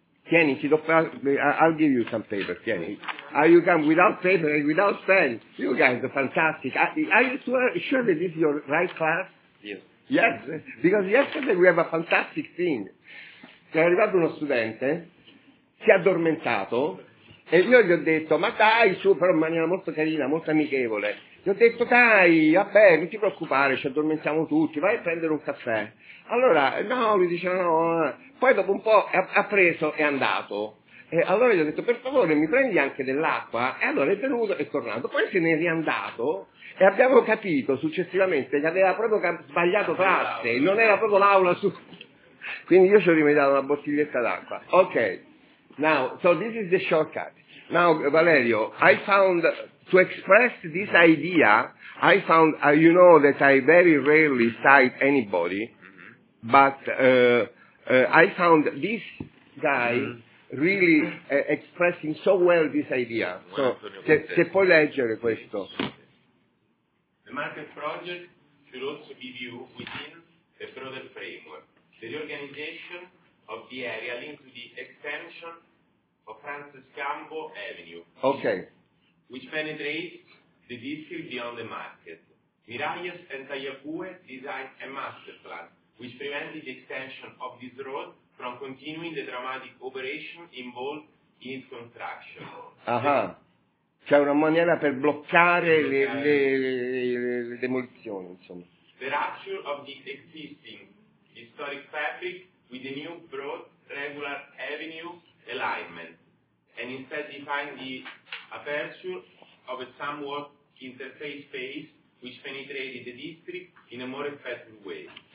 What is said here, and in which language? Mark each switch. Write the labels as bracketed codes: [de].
[en] Tieni, I'll give you some paper. Tieni. how you come without paper and without pen. You guys are fantastic. Are you sure that this is your right class? Yes. Yes, because yesterday we have a fantastic thing. [it] C'è arrivato uno studente, si è addormentato, e io gli ho detto, ma dai, su, però in maniera molto carina, molto amichevole. Gli ho detto, dai, vabbè, non ti preoccupare, ci addormentiamo tutti, vai a prendere un caffè. Allora, no, mi diceva, no. Poi dopo un po' ha preso e è andato. E allora gli ho detto, per favore, mi prendi anche dell'acqua? E allora è venuto e è tornato. Poi se ne è riandato e abbiamo capito successivamente che aveva proprio sbagliato classe, non era proprio l'aula su. Quindi io ci ho rimediato una bottiglietta d'acqua. [en] Ok. Now, so this is the shortcut. Now, Valerio, I found, to express this idea, I found, you know that I very rarely cite anybody, mm-hmm. but I found this guy really expressing so well this idea. [it] So, se puoi leggere questo. [en] The market project should also be viewed within a broader framework. The reorganization of the area linked to the extension of Francis Gambo Avenue, okay. Which penetrates the district beyond the market. Miralles and Tayakue designed a master plan, which prevented the extension of this road from continuing the dramatic operation involved in its construction. Uh-huh. [it] C'è una maniera per bloccare le demolizioni, insomma. [en] The rupture of the existing historic fabric with the new broad regular avenue alignment, and instead define the aperture of a somewhat interface space which penetrated the district in a more effective way.